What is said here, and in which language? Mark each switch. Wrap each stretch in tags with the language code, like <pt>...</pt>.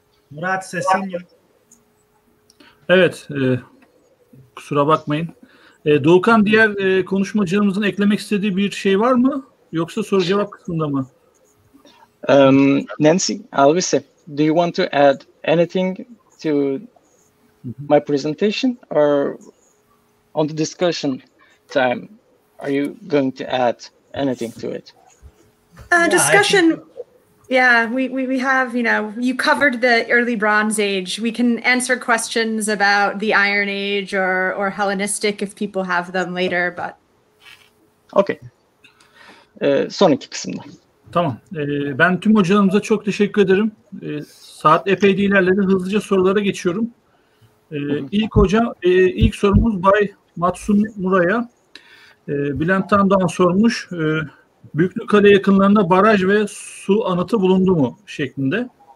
<tr>Murat sesin yok. Evet. Kusura bakmayın. Doğukan diğer konuşmacılarımızın eklemek istediği bir şey var mı? Yoksa soru cevap kısmında mı?</tr> <en>Nancy, Alvise, do you want to add anything to my presentation or on the discussion time are you going to add anything to it? Discussion. Yeah, we have, you know, you covered the early Bronze Age. We can answer questions about the Iron Age or Hellenistic if people have them later, but.</en> <tr>Okay. Sonraki kısımda. Tamam. Ben tüm hocalarımıza çok teşekkür ederim. Saat epey de ilerledi. Hızlıca sorulara geçiyorum. İlk sorumuz Bay Matsun Muray'a. Bülent Tandoğan sormuş. Büyüklük Kale yakınlarında baraj ve su anıtı bulundu mu şeklinde?</tr>